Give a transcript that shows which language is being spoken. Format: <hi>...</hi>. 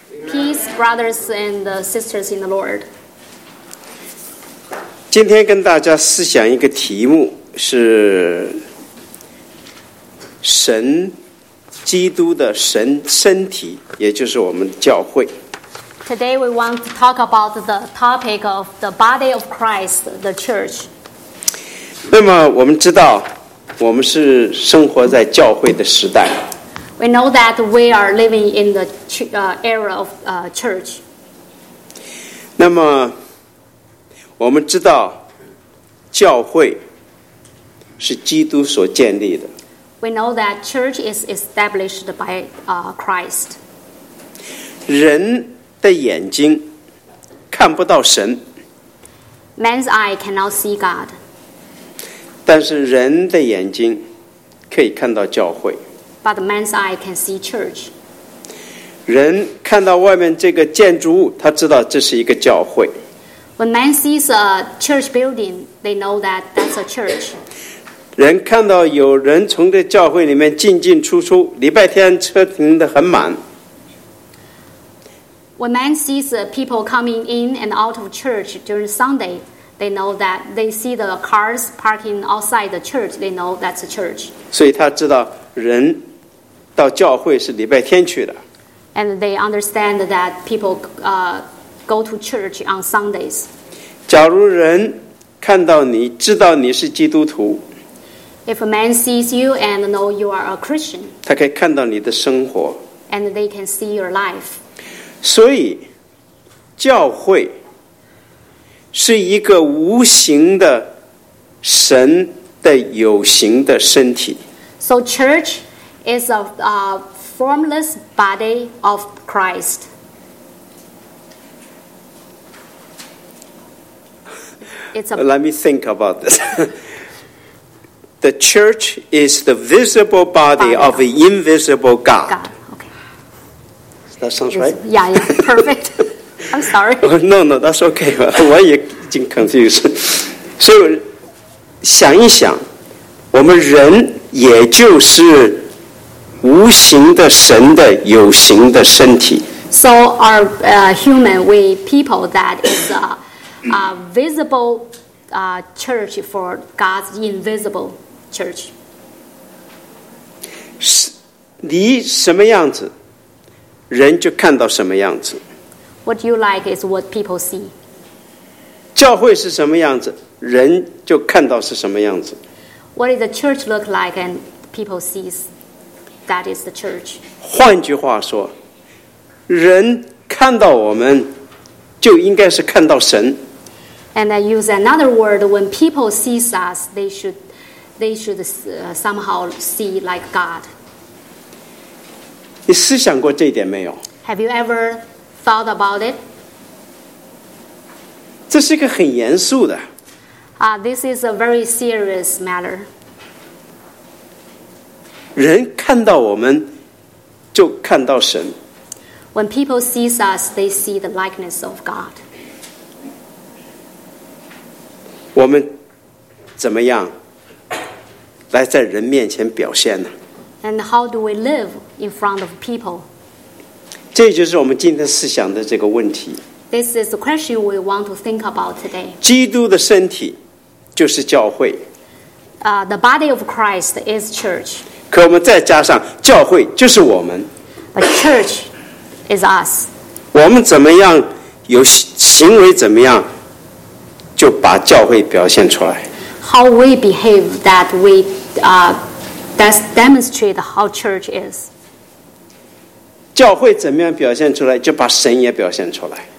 <en>Peace, brothers and sisters in the Lord.</en> <zh>今天跟大家思想一个题目是神基督的神身体，也就是我们教会。</zh> <en>Today we want to talk about the topic of the body of Christ, the church.</en> <zh>那么我们知道，我们是生活在教会的时代。</zh> <en>We know that we are living in the era of church.</en> <zh>那么我们知道教会是基督所建立的。</zh> <en>We know that church is established by Christ.</en> <zh>人的眼睛看不到神。</zh> <en>Man's eye cannot see God.</en> <zh>但是人的眼睛可以看到教会。</zh> <en>But man's eye can see church.</en> <zh>人看到外面这个建筑物，他知道这是一个教会。</zh> <en>When man sees a church building, they know that that's a church.</en> <zh>人看到有人从这教会里面进进出出，礼拜天车停得很满。</zh> <en>When man sees people coming in and out of church during Sunday, they know that they see the cars parking outside the church. They know that's a church.</en> <zh>所以他知道人到教会是礼拜天去的。</zh> <en>And they understand that people go to church on Sundays.</en> <zh>假如人看到你，知道你是基督徒。</zh> <en>If a man sees you and know you are a Christian.</en> <zh>他可以看到你的生活。</zh> <en>And they can see your life.</en> <zh>所以教会是一个无形的神的有形的身体。</zh> <en>So church is a formless body of Christ. 、Let me think about this. The church is the visible body of the invisible God. God. Okay. That sounds right? Yeah, perfect. I'm sorry. No, that's okay.</en> <zh>我也已经</zh> <en>confused.</en> <zh>所以想一想，我们人也就是无形的神的有形的身体。</zh> <en>So our human, we people, that is a visible church for God's invisible church.</en> <zh>你什么样子，人就看到什么样子。</zh> <en>What you like is what people see.</en> <zh>教会是什么样子，人就看到是什么样子。</zh> <en>What does the church look like and people see that is the church?</en> <zh>换句话说，人看到我们就应该是看到神。</zh> <en>And I use another word, when people see us, they should somehow see like God.</en> <zh>你思想过这一点没有？</zh> <en>Have you ever thought about it?</en> <zh>这是一个很严肃的。</zh> <en>This is a very serious matter.</en> <zh>人看到我们就看到神。</zh> <en>When people see us, they see the likeness of God.</en> <zh>我们怎么样来在人面前表现呢？</zh> <en>And how do we live in front of people?</en> <zh>这就是我们今天思想的这个问题。</zh> <en>This is the question we want to think about today.</en> <zh>基督的身体就是教会。</zh> <en>The body of Christ is church.</en> <zh>可我们再加上教会就是我们。</zh> <en>But church is us.</en> <zh>我们怎么样，有行为怎么样，就把教会表现出来。</zh> <en>How we behave that we demonstrate how church is.</en> <zh>教会怎么样表现出来，就把神也表现出来。</zh>